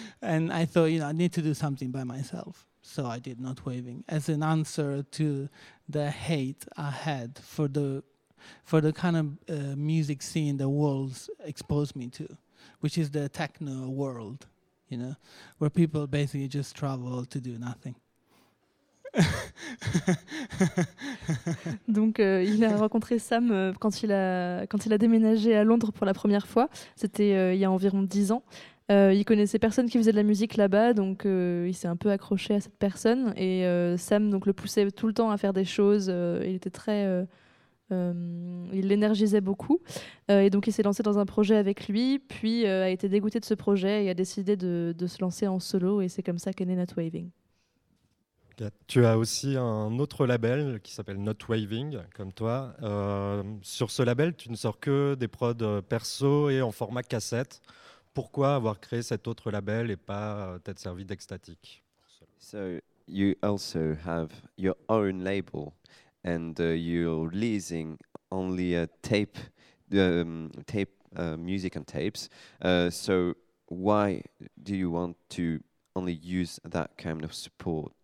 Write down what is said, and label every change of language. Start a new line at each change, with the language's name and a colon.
English: And I thought, you know, I need to do something by myself. So I did Not Waving as an answer to the hate I had for the kind of music scene the world exposed me to, which is the techno world, you know, where people basically just travel to do nothing.
French: Donc il a rencontré Sam quand il a déménagé à Londres pour la première fois, c'était il y a environ 10 ans. Il connaissait personne qui faisait de la musique là-bas, donc il s'est un peu accroché à cette personne et Sam donc le poussait tout le temps à faire des choses, il était très il l'énergisait beaucoup et donc il s'est lancé dans un projet avec lui, puis a été dégoûté de ce projet et a décidé de se lancer en solo, et c'est comme ça qu'est né Not Waving. Tu as aussi un autre label qui s'appelle Not Waving, comme toi. Sur ce label, tu ne sors que des prods perso et en format cassette. Pourquoi avoir créé cet autre label et pas t'être servi d'Ecstatic?
English: So you also have your own label and you're releasing only a tape, music and tapes. So why do you want to only use that kind of support?